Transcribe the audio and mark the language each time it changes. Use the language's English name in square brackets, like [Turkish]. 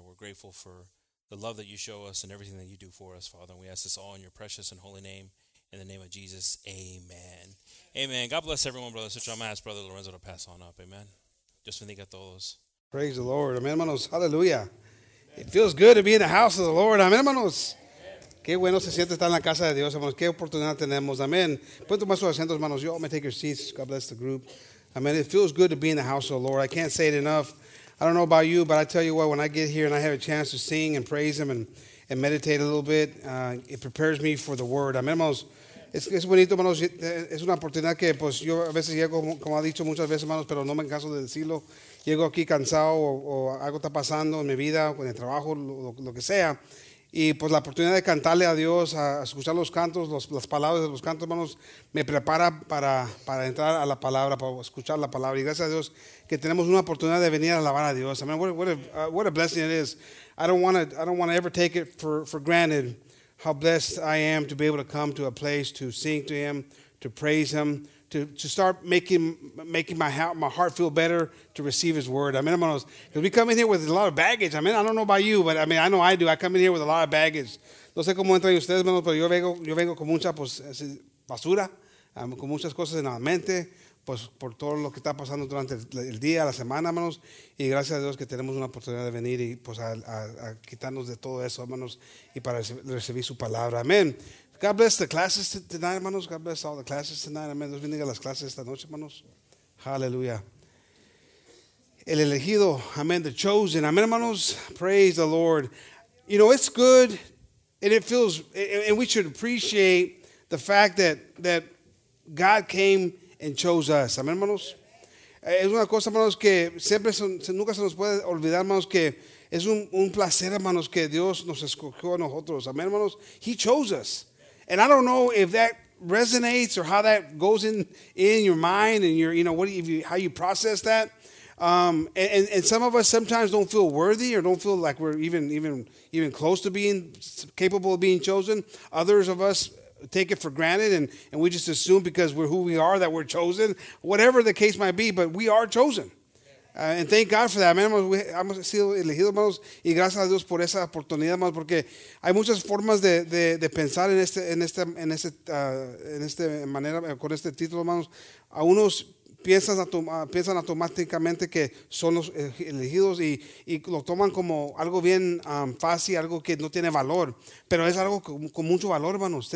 [English] We're grateful for the love that you show us and everything that you do for us, Father. And we ask this all in your precious and holy name. In the name of Jesus, amen. Amen. God bless everyone, brother. I'm going to ask brother Lorenzo to pass on up. Amen. Just when they got those. Praise the Lord. Amen, hermanos. Hallelujah. Amen. It feels good to be in the house of the Lord. [Spanish] Amen, hermanos. Qué bueno se siente estar en la casa de Dios, hermanos. Qué oportunidad tenemos. [English] Amen. [Spanish] Pueden tomar sus asientos, hermanos. [English] You all may take your seats. God bless the group. Amen. It feels good to be in the house of the Lord. I can't say it enough. I don't know about you, but I tell you what, when I get here and I have a chance to sing and praise him and meditate a little bit, it prepares me for the word. [Spanish] Amen, hermanos. Es bonito, hermanos. Es una oportunidad que, pues, yo a veces llego, como ha dicho muchas veces, hermanos, pero no me canso de decirlo. Llego aquí cansado o algo está pasando en mi vida, con el trabajo, lo que sea. Y, pues, la oportunidad de cantarle a Dios, a escuchar los cantos, las palabras de los cantos, hermanos, me prepara para entrar a la palabra, para escuchar la palabra. Y gracias a Dios que tenemos una oportunidad de venir a alabar a Dios. [English] Amen. What a blessing it is. I don't want to ever take it for granted how blessed I am to be able to come to a place to sing to him, to praise him, to start making my heart feel better to receive his word. Amen, hermanos. Because we come in here with a lot of baggage. I mean, I don't know about you, but I mean, I know I do. I come in here with a lot of baggage. [Spanish] No sé cómo entran ustedes, hermanos, pero yo vengo con mucha basura, con muchas cosas en la mente, pues por todo lo que está pasando durante el día, la semana, hermanos. Y gracias a Dios que tenemos una oportunidad de venir y pues a quitarnos de todo eso, hermanos, y para recibir su palabra. Amén. [English] God bless the classes tonight, hermanos. God bless all the classes tonight. Amén. [Spanish] Dios bendiga las clases esta noche, hermanos. Aleluya. El elegido. [English] Amén. The chosen. Amén, hermanos. Praise the Lord. You know, it's good, and it feels, and we should appreciate the fact that God came and chose us. [Spanish] Amén, hermanos. Es una cosa, hermanos, que siempre nunca se nos puede olvidar, hermanos, que es un placer, hermanos, que Dios nos escogió a nosotros. [English] Amén, hermanos. He chose us. And I don't know if that resonates or how that goes in your mind and your, you know, how you process that. And some of us sometimes don't feel worthy or don't feel like we're even close to being capable of being chosen. Others of us take it for granted and we just assume because we're who we are that we're chosen, whatever the case might be, but we are chosen. And thank God for that, man. [Spanish] Hemos sido elegidos, hermanos, y gracias a Dios por esa oportunidad, hermanos, porque hay muchas formas de pensar en este manera con este título, hermanos. A unos piensan automáticamente que son los elegidos y lo toman como algo bien fácil, algo que no tiene valor, pero es algo con mucho valor, hermanos.